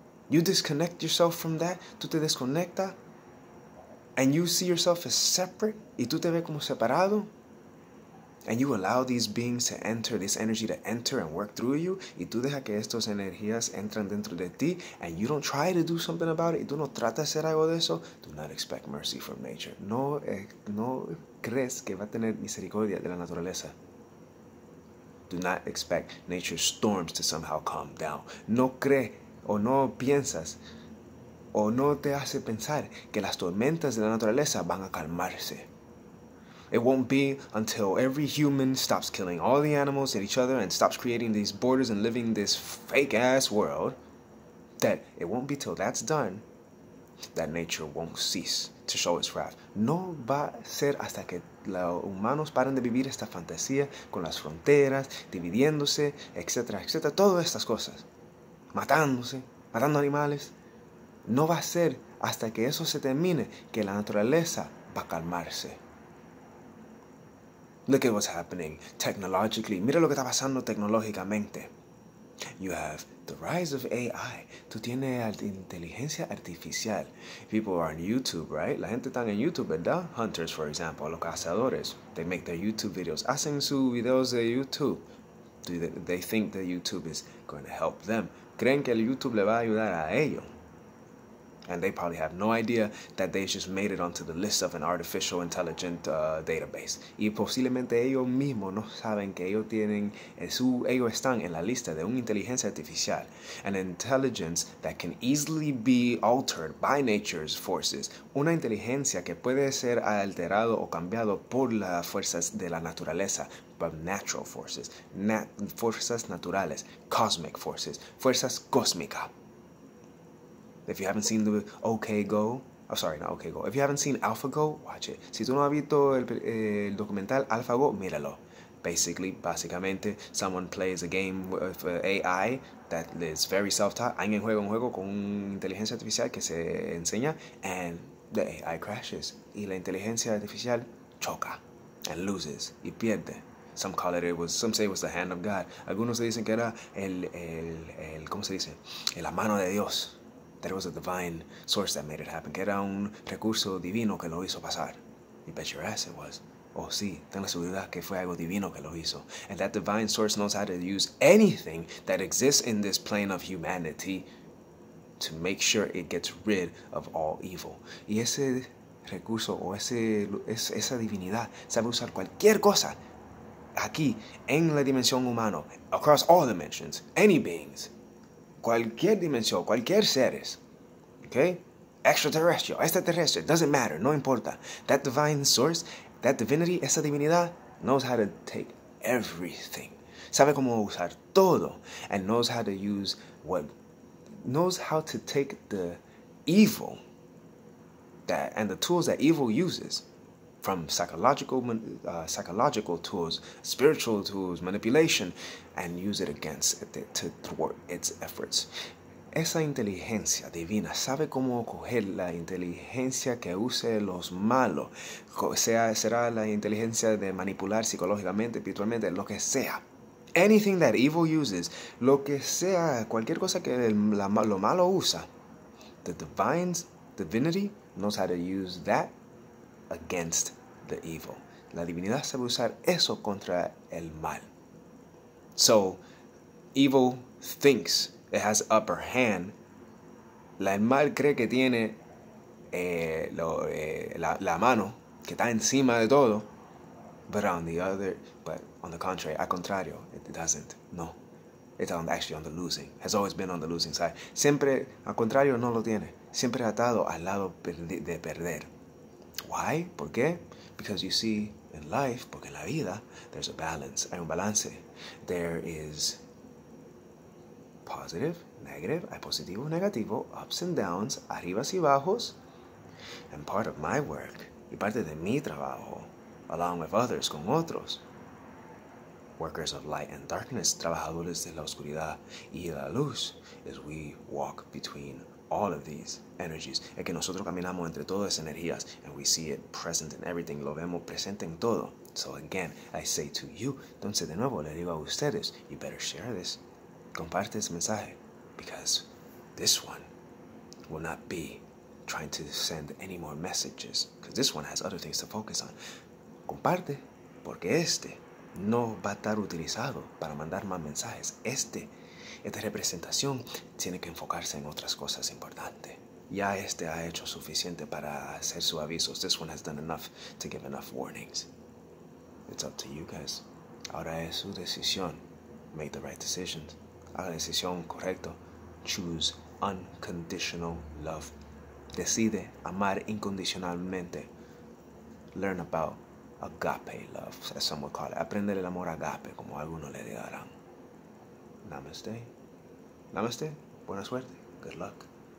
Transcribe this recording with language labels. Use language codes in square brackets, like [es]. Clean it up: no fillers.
[en] You disconnect yourself from that, [es] tú te desconectas, [en] and you see yourself as separate, [es] y tú te ves como separado, [en] and you allow these beings to enter, this energy to enter and work through you, [es] y tú dejas que estas energías entran dentro de ti, [en] and you don't try to do something about it, [es] y tú no tratas de hacer algo de eso, [en] do not expect mercy from nature. [es] No crees que va a tener misericordia de la naturaleza. [en] Do not expect nature's storms to somehow calm down. [es] No crees o no piensas o no te hace pensar que las tormentas de la naturaleza van a calmarse. [en] It won't be until every human stops killing all the animals and each other and stops creating these borders and living this fake-ass world that it won't be till that's done that nature won't cease to show its wrath. [es] No va a ser hasta que los humanos paren de vivir esta fantasía con las fronteras, dividiéndose, etc., etc., todas estas cosas, matándose, matando animales. No va a ser hasta que eso se termine que la naturaleza va a calmarse. [en] Look at what's happening technologically. [es] Mira lo que está pasando tecnológicamente. [en] You have the rise of AI. [es] Tú tienes inteligencia artificial. [en] People are on YouTube, right? [es] La gente está en YouTube, ¿verdad? [en] Hunters, for example, [es] los cazadores. [en] They make their YouTube videos. [es] Hacen sus videos de YouTube. [en] Do they think that YouTube is going to help them? [es] ¿Creen que el YouTube le va a ayudar a ellos? [en] And they probably have no idea that they just made it onto the list of an artificial intelligent database. [es] Y posiblemente ellos mismos no saben que ellos tienen, ellos están en la lista de una inteligencia artificial. [en] An intelligence that can easily be altered by nature's forces. [es] Una inteligencia que puede ser alterado o cambiado por las fuerzas de la naturaleza. [en] But natural forces. [es] Fuerzas naturales. [en] Cosmic forces. [es] Fuerzas cósmicas. [en] If you haven't seen the If you haven't seen AlphaGo, watch it. [es] Si tú no has visto el documental AlphaGo, míralo. Básicamente, [en] someone plays a game with AI that is very self-taught. [es] Alguien juega un juego con inteligencia artificial que se enseña, [en] and the AI crashes. [es] Y la inteligencia artificial choca [en] and loses [es] y pierde. [en] Some call it, some say it was the hand of God. [es] Algunos dicen que era la mano de Dios. [en] That it was a divine source that made it happen. [es] Que era un recurso divino que lo hizo pasar. [en] You bet your ass it was. [es] Oh, sí. Ten la seguridad que fue algo divino que lo hizo. [en] And that divine source knows how to use anything that exists in this plane of humanity to make sure it gets rid of all evil. [es] Y ese recurso o esa divinidad sabe usar cualquier cosa aquí en la dimensión humana, [en] across all dimensions, any beings. [es] Cualquier dimensión, cualquier seres, [en] okay? Extraterrestrial, [es] extraterrestre, [en] doesn't matter, [es] no importa. [en] That divine source, that divinity, [es] esa divinidad, [en] knows how to take everything. [es] Sabe cómo usar todo, [en] and knows how to use what, knows how to take the evil, that and the tools that evil uses, from psychological tools, spiritual tools, manipulation, and use it against it to thwart its efforts. [es] Esa inteligencia divina sabe cómo coger la inteligencia que use los malos, será la inteligencia de manipular psicológicamente, espiritualmente, lo que sea. [en] Anything that evil uses, [es] lo que sea, cualquier cosa que lo malo usa, [en] the divine divinity knows how to use that against the evil. [es] La divinidad sabe usar eso contra el mal. [en] So, evil thinks it has upper hand. [es] La el mal cree que tiene la mano que está encima de todo. [en] But on the contrary, [es] al contrario, [en] it doesn't. No, it's actually on the losing. Has always been on the losing side. [es] Siempre al contrario no lo tiene. Siempre atado al lado de perder. [en] Why? [es] ¿Por qué? [en] Because you see, in life, [es] porque en la vida, [en] there's a balance, [es] hay un balance. [en] There is positive, negative, [es] hay positivo, negativo, [en] ups and downs, [es] arribas y bajos. [en] And part of my work, [es] y parte de mi trabajo, [en] along with others, [es] con otros, [en] workers of light and darkness, [es] trabajadores de la oscuridad y la luz, [en] is we walk between all of these energies, [es] es que nosotros caminamos entre todas esas energías, [en] and we see it present in everything, [es] lo vemos presente en todo. [en] So again, I say to you, [es] entonces de nuevo le digo a ustedes, [en] you better share this, [es] comparte ese mensaje, [en] because this one will not be trying to send any more messages, because this one has other things to focus on. [es] Comparte, porque este no va a estar utilizado para mandar más mensajes. Esta representación tiene que enfocarse en otras cosas importantes. Ya este ha hecho suficiente para hacer su avisos. [en] This one has done enough to give enough warnings. It's up to you guys. [es] Ahora es su decisión. [en] Make the right decisions. [es] Haga la decisión correcta. [en] Choose unconditional love. [es] Decide amar incondicionalmente. [en] Learn about agape love, as some would call it. [es] Aprende el amor agape, como algunos le dirán. Namaste. Namaste. Buena suerte. [en] Good luck.